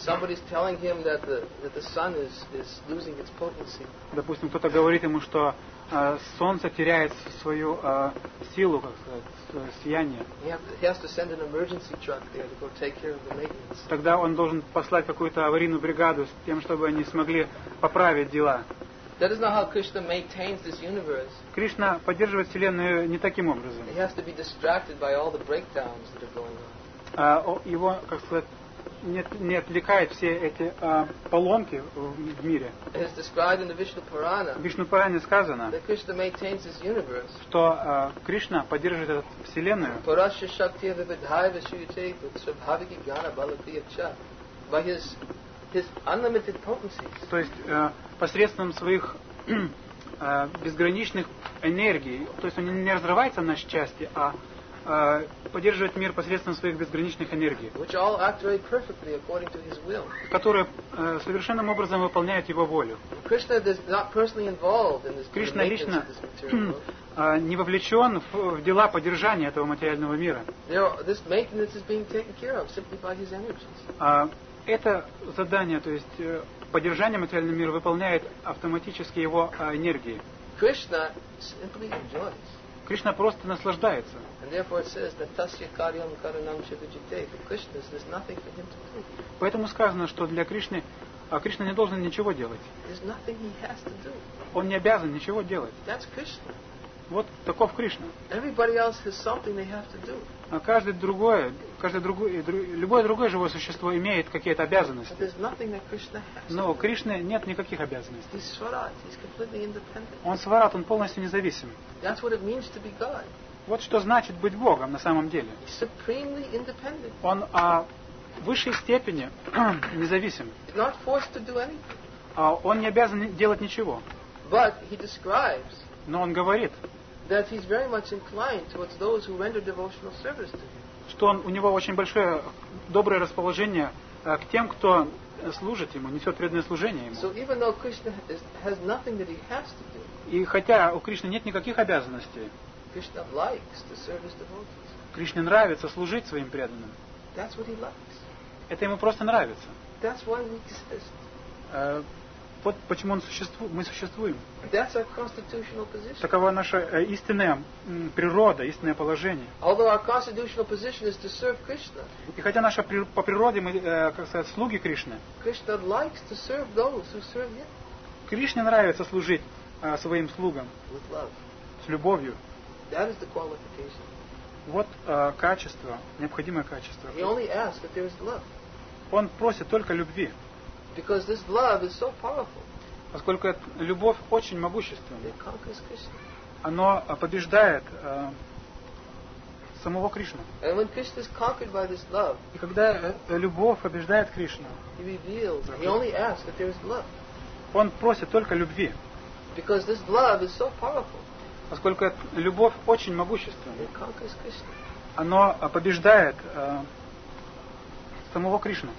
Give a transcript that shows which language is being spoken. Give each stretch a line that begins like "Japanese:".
English: Somebody's telling him that the sun is losing its potency.
Russian: Допустим, кто-то говорит ему, что солнце теряет свою силу, как сказать, сияние.
English: He has to send an emergency truck there to go take care of the maintenance.
Russian: Тогда он должен послать какую-то аварийную бригаду с тем, чтобы они смогли поправить дела.
English: That is not how Krishna maintains this universe.
Russian: Кришна поддерживает вселенную не таким образом.
English: He has to be distracted by all the breakdowns that are going on.
Russian: Его, как сказать, не отвлекает все эти поломки в мире.
English: It is described in the Vishnu Purana.
Russian: В Вишну Паране сказано,
English: that Krishna maintains this universe.
Russian: Что Кришна поддерживает эту вселенную.
Sanskrit: Parashya shakti vidhaya shuyate svabhaviki gana balakriya cha
English: by his unlimited potencies.
Russian: То есть посредством своих безграничных энергий, то есть он не разрывается на части, а поддерживает мир посредством своих безграничных энергий,
English: which all act very perfectly according to his will.
Russian: Которые совершенным образом выполняют его волю.
English: Krishna is not personally involved in this.
Russian: Кришна лично не вовлечен в дела поддержания этого материального мира.
English: This maintenance is being taken care of simply by his energies.
Russian: Это задание, то есть поддержание материального мира выполняет автоматически его энергии.
English: Krishna simply enjoys.
Russian: Кришна просто наслаждается.
English: And therefore it says that
Sanskrit: tasya karyam karanam chavijite.
English: For Krishna there's nothing for him to do.
Russian: Поэтому сказано, что для Кришны Кришна не должен ничего делать.
English: There's nothing he has to do.
Russian: Он не обязан ничего делать.
English: That's Krishna.
Russian: Вот таков Кришна.
English: Everybody else has something they have to do.
Russian: А любое другое живое существо имеет какие-то обязанности.
English: But there's nothing that Krishna has.
Russian: Но у Кришны нет никаких обязанностей.
English: He's Swarat. He's completely independent.
Russian: Он Сварат, он полностью независим.
English: That's what it means to be God.
Russian: Вот что значит быть Богом на самом деле.
English: He's supremely independent.
Russian: Он высшей степени независим.
English: He's not forced to do anything.
Russian: Он не обязан делать ничего.
English: But he describes.
Russian: Но он говорит,
English: that he's very much inclined towards those who render devotional service to him.
Russian: Что у него очень большое доброе расположение к тем, кто служит ему, несет преданное служение ему.
English: So even though Krishna has nothing that he has to do.
Russian: И хотя у Кришны нет никаких обязанностей.
English: Krishna likes to serve his devotees.
Russian: Кришне нравится служить своим преданным.
English: That's what he likes.
Russian: Это ему просто нравится.
English: That's why we exist.
Russian: Вот почему мы существуем.
English: That's our constitutional position.
Russian: Такова наша истинная природа, истинное положение.
English: Although our constitutional position is to serve Krishna.
Russian: И хотя наша по природе мы, как сказать, слуги Кришны.
English: Krishna likes to serve those who serve him.
Russian: Кришне нравится служить своим слугам.
English: With love.
Russian: С любовью.
English: That is the qualification.
Russian: Вот качество, необходимое качество.
English: He only asks that there is love.
Russian: Он просит только любви.
English: Because this love is so powerful.
Russian: Поскольку любовь очень могущественна.
English: It conquers Krishna.
Russian: Оно побеждает самого Кришну.
English: And when Krishna is conquered by this love,
Russian: и когда любовь побеждает Кришну,
English: he reveals, he only asks that there is love.
Russian: Он просит только любви.
English: Because this love is so powerful.
Russian: Поскольку любовь очень могущественна.
English: It conquers Krishna.
Russian: Оно побеждает самого Кришну.